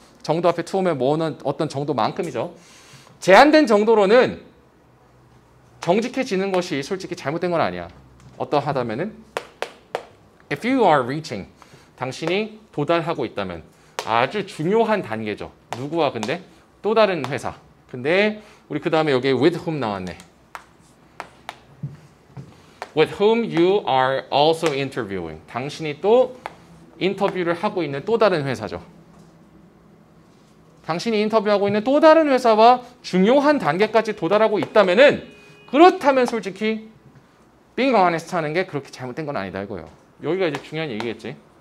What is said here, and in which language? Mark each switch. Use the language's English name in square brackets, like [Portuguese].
[Korean] 정도 앞에 투어면 뭐는 어떤 정도만큼이죠. 제한된 정도로는 정직해지는 것이 솔직히 잘못된 건 아니야. 어떠하다면은 [English] if you are reaching, [Korean] 당신이 도달하고 있다면 아주 중요한 단계죠. 누구와 근데 또 다른 회사. 근데 우리 그 다음에 여기 [English] with whom [Korean] 나왔네. [English] With whom you are also interviewing. [Korean] 당신이 또 인터뷰를 하고 있는 또 다른 회사죠. 당신이 인터뷰하고 있는 또 다른 회사와 중요한 단계까지 도달하고 있다면은 그렇다면 솔직히 [English] being honest [Korean] 하는 게 그렇게 잘못된 건 아니다 이거예요. 여기가 이제 중요한 얘기겠지.